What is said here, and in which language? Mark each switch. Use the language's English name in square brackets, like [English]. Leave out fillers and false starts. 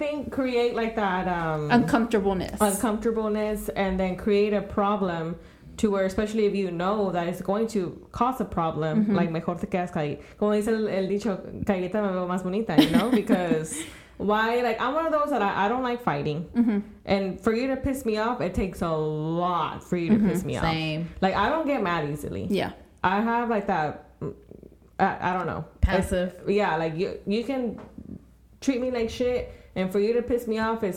[English] Create that uncomfortableness. Uncomfortableness, and then create a problem to where, especially if you know that it's going to cause a problem, mm-hmm. like, [Spanish] mejor te quedas calle. Como dice el dicho, callita me veo más bonita, [English] you know? Because why? Like, I'm one of those that I don't like fighting. Mm-hmm. And for you to piss me off, it takes a lot for you to mm-hmm. piss me off. Same. Like, I don't get mad easily. Yeah. I have, like, that, I don't know. Passive. Yeah, like you can treat me like shit, and for you to piss me off is